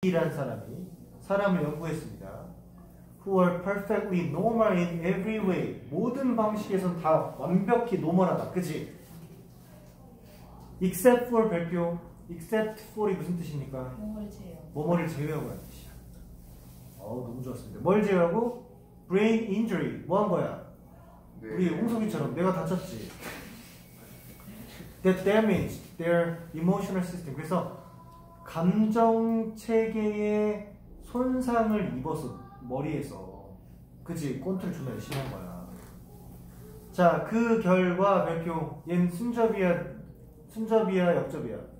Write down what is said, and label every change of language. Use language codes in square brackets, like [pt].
[ko] 이란 사람이 사람을 연구했습니다. [en] Who are perfectly normal in every way. [ko] 모든 방식에선 다 완벽히 노멀하다. 그치? [en] Except for 별표. [ko] Except for이 무슨 뜻입니까? 뭐뭐를 제외하고 라는 뜻이야. 어우, 너무 좋았습니다. 뭘 제외하고? [en] Brain injury. [ko] 뭐한 거야? 네. 우리 홍석이처럼 내가 다쳤지. [en] That damaged their emotional system. [ko] 그래서 감정 체계에 손상을 입었어. 머리에서. 그치? 꼰틀 주면 심한 거야. 자, 그 결과 별표. 얜 순접이야? 순접이야? 역접이야?